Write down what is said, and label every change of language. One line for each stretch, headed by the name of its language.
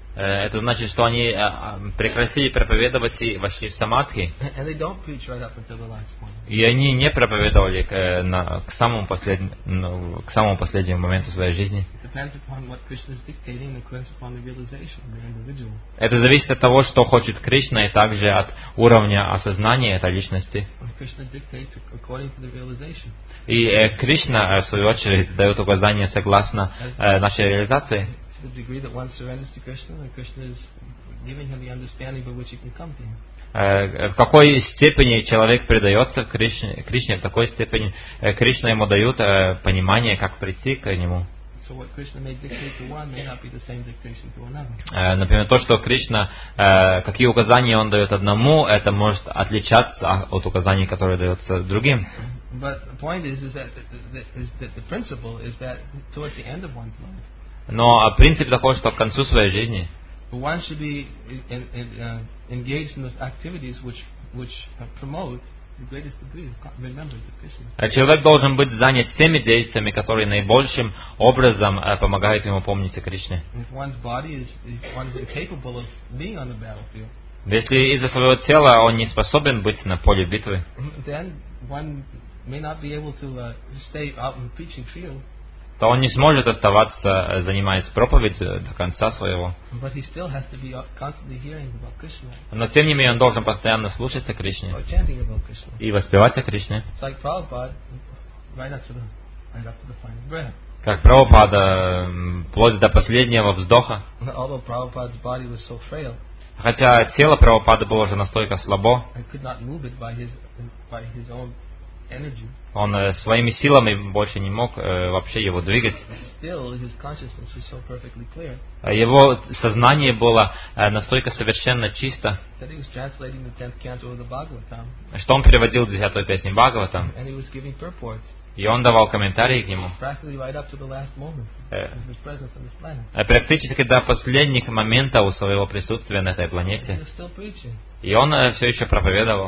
Russian: Это значит, что они прекратили проповедовать и вошли в самадхи.
English: And they don't preach right up until the last point.
Russian: И они не проповедовали к самому последнему моменту своей жизни.
English: It depends upon what Krishna is dictating, and depends upon the realization of the individual.
Russian: Это зависит от того, что хочет Кришна, и также от уровня осознания этой личности.
English: And Krishna dictates according to the realization.
Russian: И Кришна, в свою очередь, дает указания согласно нашей реализации.
English: The degree that one surrenders to Krishna, and Krishna is giving him the understanding by which he can come to him.
Russian: В какой степени человек предается Кришне, в такой степени Кришна ему дает понимание, как прийти к нему.
English: So what Krishna may dictate to one may not be the same dictation to another.
Russian: Например, то, что Кришна, какие указания он дает одному, это может отличаться от указаний, которые дается другим.
English: But the point is that the principle is that towards the end of one's life.
Russian: Но принцип такой, что к концу своей жизни
English: one should be engaged in those activities which promote the greatest degree of remembrance of Krishna.
Russian: Человек должен быть занят теми действиями, которые наибольшим образом помогают ему помнить о Кришне.
English: If one's incapable of being on the battlefield,
Russian: если из-за своего тела он не способен быть на поле битвы,
English: then one may not be able to stay out in the preaching field.
Russian: То он не сможет оставаться, занимаясь проповедью до конца своего.
English: But he still has to be constantly hearing about Krishna.
Russian: Но тем не менее он должен постоянно слушать о Кришне.
English: Or chanting about Krishna.
Russian: И воспевать о Кришне.
English: It's like Prabhupada, right up to the final breath.
Russian: Как Прабхупада, вплоть до последнего вздоха.
English: Although Prabhupada's body was so frail.
Russian: Хотя тело Прабхупады было уже настолько слабо.
English: He could not move it by his own energy.
Russian: Он своими силами больше не мог вообще его двигать.
English: Still, his consciousness was so perfectly clear.
Russian: Его сознание было настолько совершенно чисто,
English: that he was translating the 10th canto of the Bhagavatam.
Russian: Что он переводил 10-ю песню Бхагаватам.
English: And he was giving purports.
Russian: И он давал комментарии к нему.
English: Practically right up to the last moment of his presence on this planet.
Russian: Практически до последних моментов своего присутствия на этой планете.
English: He was still preaching.
Russian: И он все еще проповедовал.